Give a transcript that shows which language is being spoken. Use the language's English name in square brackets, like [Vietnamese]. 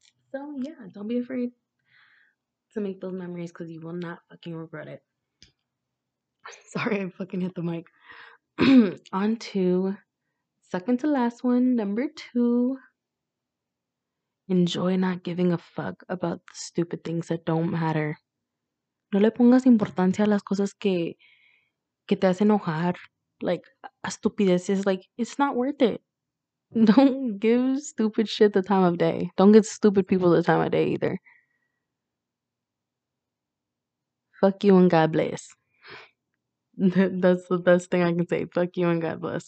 [English] So yeah, don't be afraid to make those memories because you will not fucking regret it. Sorry, I fucking hit the mic. On to second to last one, number two. Enjoy not giving a fuck about the stupid things that don't matter. [Spanish] No le pongas importancia a las cosas que te hacen enojar. [English] Like, [Spanish] a estupidez [English] is like, it's not worth it. Don't give stupid shit the time of day. Don't give stupid people the time of day either. Fuck you and God bless. That's the best thing I can say. Fuck you and God bless.